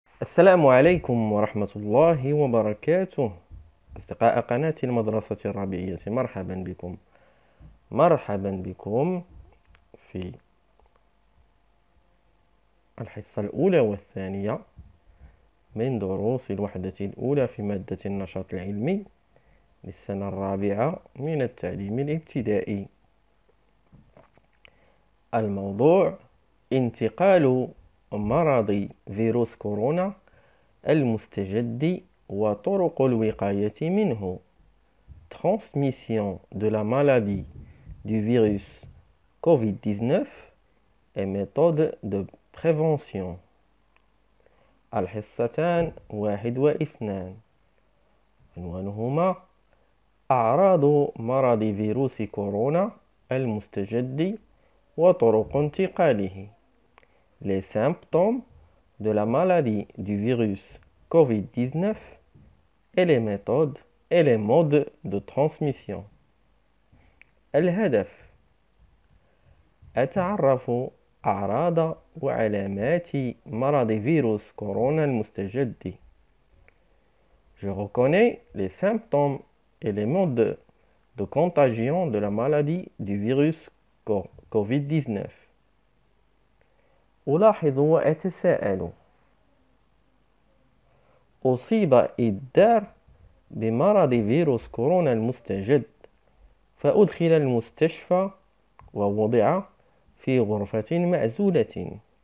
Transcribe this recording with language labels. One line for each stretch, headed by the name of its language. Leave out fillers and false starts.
Arabic: السلام عليكم ورحمة الله وبركاته أصدقاء قناة المدرسة الربيعية، مرحبا بكم، مرحبا بكم في الحصة الأولى والثانية من دروس الوحدة الأولى في مادة النشاط العلمي للسنة الرابعة من التعليم الابتدائي. الموضوع انتقال مرض فيروس كورونا المستجد وطرق الوقاية منه.
French: Transmission de la maladie du virus COVID-19 et méthode de prévention.
Arabic: الحصتان 1 و 2، عنوانهما أعراض مرض فيروس كورونا المستجد وطرق انتقاله.
French: Les symptômes de la maladie du virus COVID-19 et les méthodes et les modes de transmission.
Arabic: الهدف: أتعرف أعراض وعلامات مرض فيروس كورونا المستجد.
French: Je reconnais les symptômes et les modes de contagion de la maladie du virus COVID-19.
Arabic: ألاحظ وأتساءل: أصيب إدار بمرض فيروس كورونا المستجد فأدخل المستشفى ووضع في غرفة معزولة.